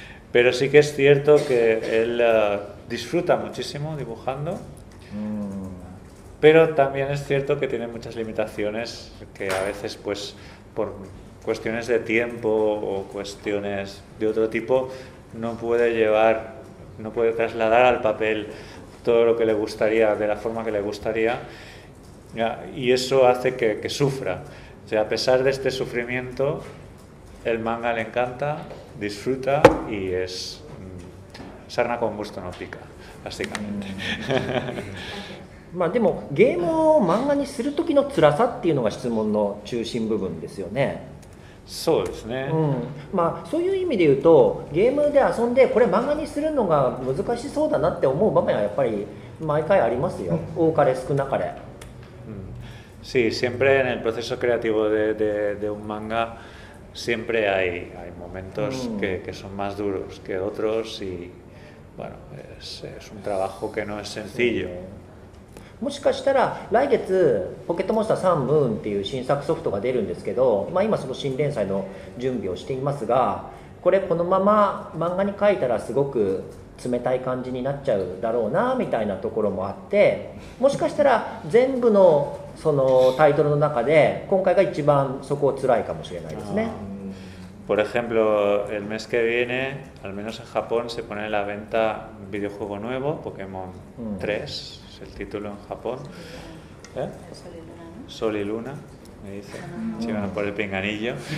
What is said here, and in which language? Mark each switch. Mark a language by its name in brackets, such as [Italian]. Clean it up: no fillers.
[Spanish] Pero sí que es cierto que él disfruta muchísimo dibujando, pero también es cierto que tiene muchas limitaciones, que a veces pues por cuestiones de tiempo o cuestiones de otro tipo no puede trasladar al papel todo lo que le gustaría de la forma que le gustaría, y eso hace que sufra. O sea, a pesar de este sufrimiento, el manga le encanta, disfruta y es sarna con gusto no pica, básicamente. [Japanese] まあでもゲームを漫画にする時の辛さっていうのが質問の中心部分ですよね。そうですね、うん、まあ、そういう意味で言うとゲームで遊んでこれ漫画にするのが難しそうだなって思う場面はやっぱり毎回ありますよ、多かれ少なかれ。 [Spanish] Sí, siempre en el proceso creativo de un mangaSiempre hay momentos que son más duros que otros y bueno, es un trabajo que no es sencillo. [Japanese] もしかしたら来月ポケットモンスターサンムーンっていう新作ソフトが出るんですけど、まあ、今その新連載の準備をしていますが、これこのまま漫画に描いたらすごく冷たい感じになっちゃうだろうなみたいなところもあって、もしかしたら全部のそのタイトルの中で今回が一番そこを辛いかもしれないですね。 [Spanish] Por ejemplo, el mes que viene, al menos en Japón, se pone en la venta un videojuego nuevo, Pokémon 3, es el título en Japón. ¿Eh? Sol y Luna, ¿no? Sol y Luna, me dice. Sí, bueno, por el pinganillo.